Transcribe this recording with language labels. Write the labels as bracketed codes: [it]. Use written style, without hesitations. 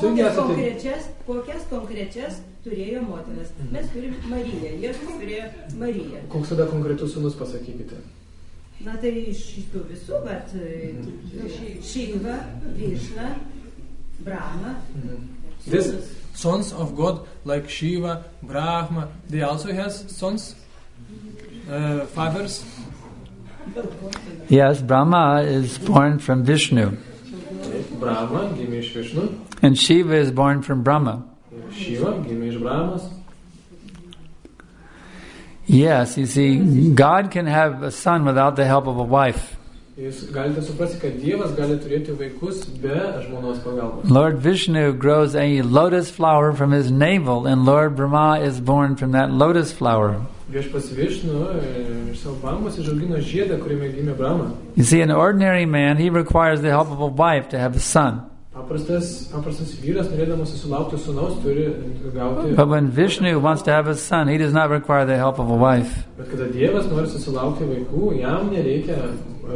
[lt] Kokias konkrečias turėjo motinas? Mes turime Mariją, Jėzus turėjo Mariją. Koks tada konkretus sūnus pasakykite? Na tai iš tų visų, vat, Šilva, Višna, Brahma, [en] Sons of God, like Shiva, Brahma, they also has sons? Fathers? Yes, Brahma is born from Vishnu. [lt] Brahma gimė iš Vishnu. [en] And Shiva is born from Brahma. [lt] Shiva gimė iš Brahmas. [en] Yes, you see, God can have a son without the help of a wife. [lt] Jūs galite suprasti, kad Dievas gali turėti vaikus be žmonos pagalbos. [en] Lord Vishnu grows a lotus flower from his navel, and Lord Brahma is born from that lotus flower. [lt] Viešpas Vishnu iš savo bambos išaugino žiedą, kuriame gimė Brahma. [en] You see, an ordinary man, he requires the help of a wife to have a son. [lt] Paprastas vyras, norėdamas sulaukti sūnaus, turi gauti... [en] But when Vishnu wants to have a son, he does not require the help of a wife. [lt] Bet kada Dievas nori susilaukti vaikų, jam nereikia...